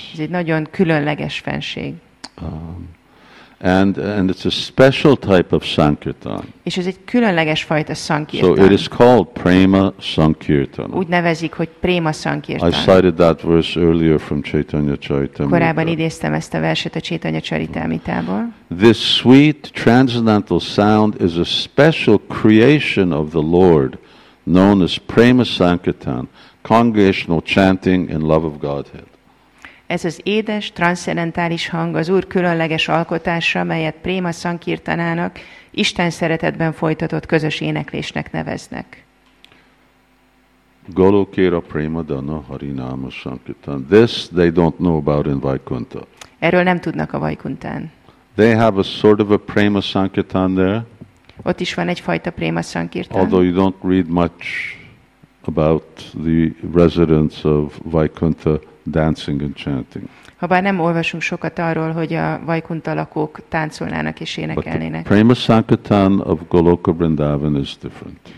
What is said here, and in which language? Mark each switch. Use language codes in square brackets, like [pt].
[hu] Ez egy nagyon különleges fenség. [en] And it's a special type of sankirtan. [hu] És ez egy különleges fajta sankirtan. [en] So it is called prema sankirtan. [hu] Úgy nevezik, hogy prema sankirtan. [en] I cited that verse earlier from Chaitanya Charitamrita. [hu] Korábban idéztem ezt a verset a Chaitanya Charitamritából. [en] This sweet transcendental sound is a special creation of the Lord, known as prema sankirtan, congregational chanting in love of Godhead. [hu] Ez az édes, transzcendentális hang az Úr különleges alkotása, melyet Préma Szankirtanának, Isten szeretetben folytatott közös éneklésnek neveznek. [bn] Golokera Préma Dana Harináma Szankirtan. [en] This they don't know about in Vaikuntha. [hu] Erről nem tudnak a Vaikuntán. [en] They have a sort of a Préma Szankirtan there. [hu] Ott is van egyfajta Préma Szankirtan. [en] Although you don't read much about the residents of Vaikuntha dancing and chanting. [hu] Habár nem olvasunk sokat arról, hogy a Vaikuntha lakók táncolnának és énekelnének. [en] But the Prema Sankirtan of Goloka Vrindavan is different.